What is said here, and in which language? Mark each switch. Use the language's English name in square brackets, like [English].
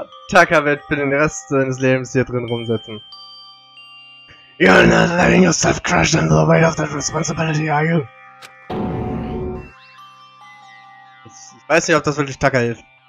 [German] Tucker wird für den Rest seines Lebens hier drin rumsitzen. [English] You're not letting yourself crush under the weight of that responsibility, are you? [German] Ich weiß nicht, ob das wirklich Tucker hilft.